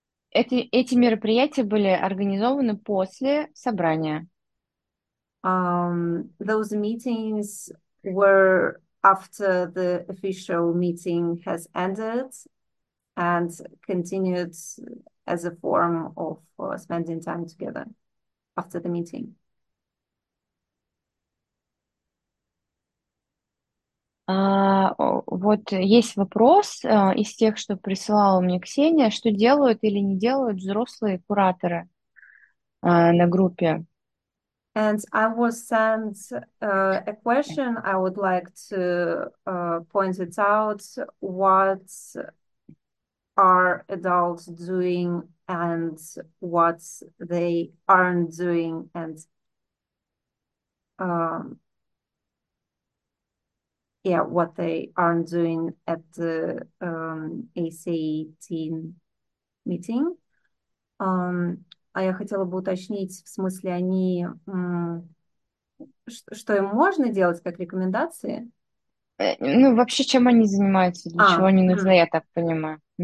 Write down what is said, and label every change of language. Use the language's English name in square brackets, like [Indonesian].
[Russian] Эти мероприятия были организованы после собрания. [English] Those meetings were after the official meeting has ended and continued as a form of spending time together after the meeting. [Russian] Вот есть вопрос из тех, что присылала мне Ксения, что делают или не делают взрослые кураторы на группе? [English] And I was sent a question. I would like to point it out. What are adults doing and what they aren't doing? And yeah, what they aren't doing at the AC18 meeting. [Russian] А я хотела бы уточнить, в смысле, они что им можно делать как рекомендации? Ну, вообще, чем они занимаются, для чего они нужны, я так понимаю.